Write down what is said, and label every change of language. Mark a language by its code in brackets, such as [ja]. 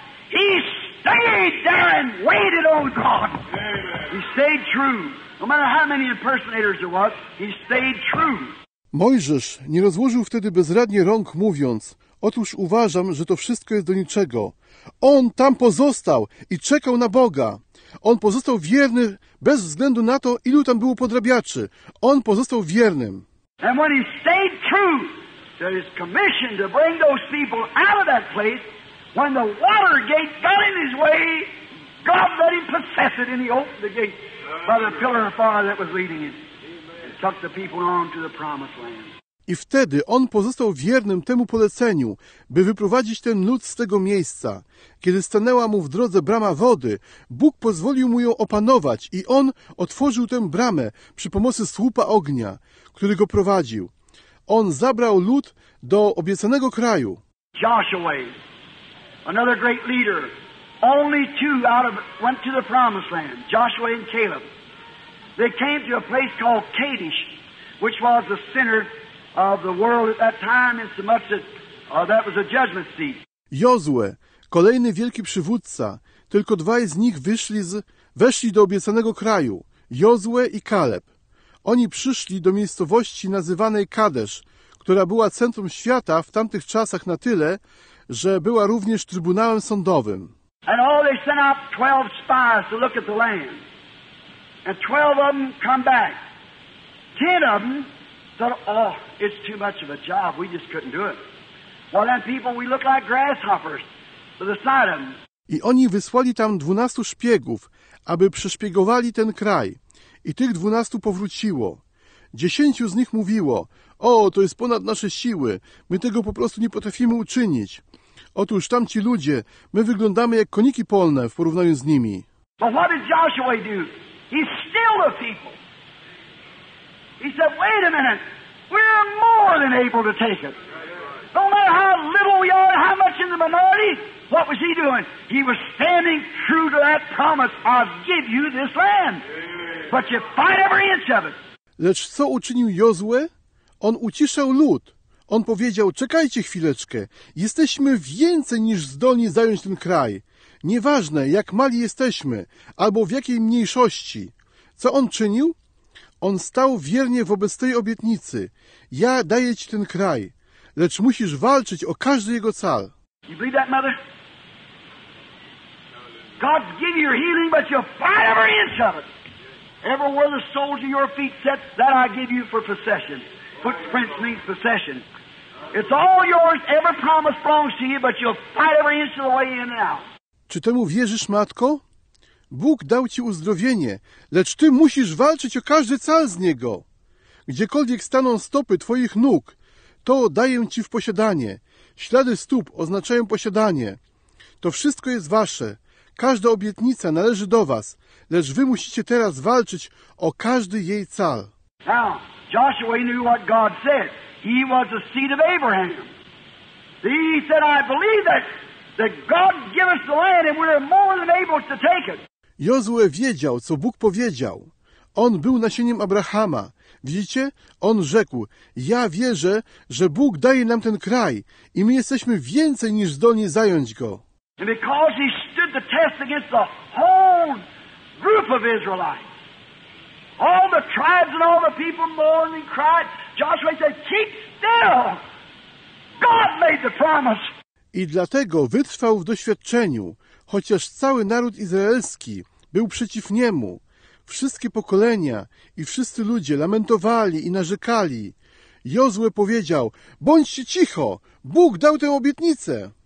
[en] He stayed there and waited on God. He stayed true. No matter how many impersonators there was, he stayed true. [pl] Mojżesz nie rozłożył wtedy bezradnie rąk, mówiąc, otóż uważam, że to wszystko jest do niczego. On tam pozostał i czekał na Boga. On pozostał wierny bez względu na to, ilu tam było podrabiaczy. On pozostał wiernym. [en] And when he stayed true to his commission to bring those people out of that place, when the water gate got in his way, God let him possess it, and he opened the gate by the pillar of fire that was leading him, and took the people on to the promised land. [pl] I wtedy on pozostał wiernym temu poleceniu, by wyprowadzić ten lud z tego miejsca. Kiedy stanęła mu w drodze brama wody, Bóg pozwolił mu ją opanować i on otworzył tę bramę przy pomocy słupa ognia, który go prowadził. On zabrał lud do obiecanego kraju. [en] Joshua, another great leader, only two out of went to the promised land, Joshua and Caleb. They came to a place called Kadesh, which was the center of the world at that time, in so much that that was a judgment seat. [pl] Jozue, kolejny wielki przywódca, tylko dwaj z nich weszli do obiecanego kraju, Jozue i Kaleb. Oni przyszli do miejscowości nazywanej Kadesz, która była centrum świata w tamtych czasach na tyle, że była również trybunałem sądowym. [en] And all they sent out 12 spies to look at the land. And 12 of them come back. 10 of them thought, oh, it's too much of a job. We just couldn't do it. Well, then people, we look like grasshoppers to the side of them. [pl] I oni wysłali tam 12 szpiegów, aby przeszpiegowali ten kraj. I tych 12 powróciło. 10 z nich mówiło, o, to jest ponad nasze siły. My tego po prostu nie potrafimy uczynić. Otóż tamci ludzie, my wyglądamy jak koniki polne w porównaniu z nimi. [en] But what did Joshua do? He stilled the people. He said, wait a minute. We're more than able to take it. No matter how little we are, how much in the minority, what was he doing? He was standing true to that promise, I'll give you this land. But you fight every inch of it. [pl] Lecz co uczynił Jozue? On uciszał lud. On powiedział, czekajcie chwileczkę, jesteśmy więcej niż zdolni zająć ten kraj. Nieważne, jak mali jesteśmy, albo w jakiej mniejszości. Co on czynił? On stał wiernie wobec tej obietnicy. Ja daję ci ten kraj, lecz musisz walczyć o każdy jego cal. [en] You believe that, mother? God's given your healing, but you fight every inch of it. Everywhere the soles of your feet set, that I give you for possession. Footprints means possession. It's all yours, every promise belongs to you, but you fight every inch of the way in and out. [pl] Czy temu wierzysz, matko? Bóg dał ci uzdrowienie, lecz ty musisz walczyć o każdy cal z niego. Gdziekolwiek staną stopy twoich nóg, to daję ci w posiadanie. Ślady stóp oznaczają posiadanie. To wszystko jest wasze. Każda obietnica należy do was, lecz wy musicie teraz walczyć o każdy jej cal. [en] Now, Joshua knew what God said. He was the seed of Abraham. He said, I believe that. That God give us the land and we're more than able to take it. [pl] Jozue wiedział, co Bóg powiedział. On był nasieniem Abrahama. Widzicie? On rzekł, ja wierzę, że Bóg daje nam ten kraj i my jesteśmy więcej niż zdolni zająć go. [en] And because he stood the test against the whole group of Israelites. All the tribes and all the people mourned and cried. Joshua said, keep still. God made the promise. [pl] I dlatego wytrwał w doświadczeniu, chociaż cały naród izraelski był przeciw niemu. Wszystkie pokolenia i wszyscy ludzie lamentowali i narzekali. Jozue powiedział, bądźcie cicho, Bóg dał tę obietnicę.